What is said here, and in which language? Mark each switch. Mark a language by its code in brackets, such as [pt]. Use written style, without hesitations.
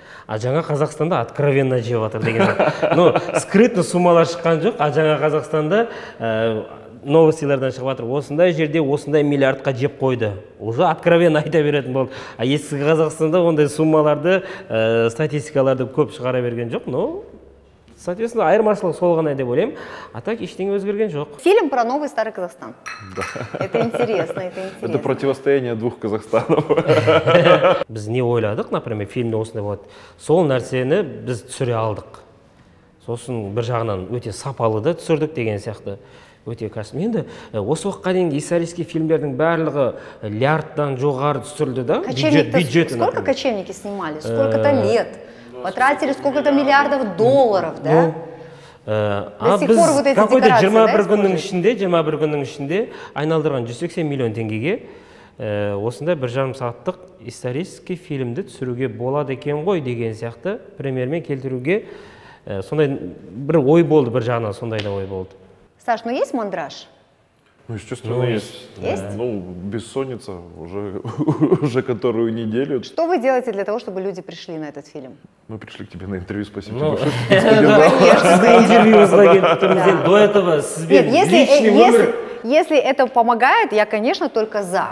[kk] А жаңа Қазақстанда [ru] откровенно [kk] жеп атыр деген. [ru] Ну, скрытно [kk] сумалар шыққан жоқ, а жаңа Қазақстанда новостилардан шығып атыр, осындай жерде осындай миллиардқа жеп қойды. [ru] Уже откровенно [kk] айта беретін болды. А ескі Қазақстанда ондай суммаларды, статистикаларды көп шығара берген жоқ. [ru] Ну, соответственно, [kk] айырмашылық сол ғана деп ойлаймын. [ru] А так [kk] ештеңе өзгерген жоқ. [ru] Фильм про новый старый Казахстан. Да. Это интересно. Это противостояние двух Казахстанов. [kk] Біз не ойладық, [ru] например, [kk] фильмде осындай болады. Сол нәрсені біз түсіре алдық. Сосын бір жағынан өте сапалы да түсірдік деген сияқты. Өте қасым. Енді осы уақытқа дейін [ru] исторический [kk] фильмдердің барлығы лярдтан жоғары түсірілді, да? Бюджетін. [ru] Сколько кочевники снимали? Сколько-то лет? Потратили сколько-то миллиардов долларов, да? какой-то [kk] 21 күннің ішінде, 21 күннің ішінде айналдырған 180 миллион теңгеге осындай 1,5 сағаттық [ru] исторический [kk] фильмді түсіруге болады екен ғой деген сияқты премьермен келтіруге сондай бір ой болды, бір жағынан сондай да ой болды. [ru] Саш, ну есть мандраж? Ну, естественно, есть. Есть? Ну, бессонница уже которую неделю. Что вы делаете для того, чтобы люди пришли на этот фильм? Мы пришли к тебе на интервью, спасибо большое. Ну, интервью с агентом, до этого с личным номером. Если это помогает, я, конечно, только за.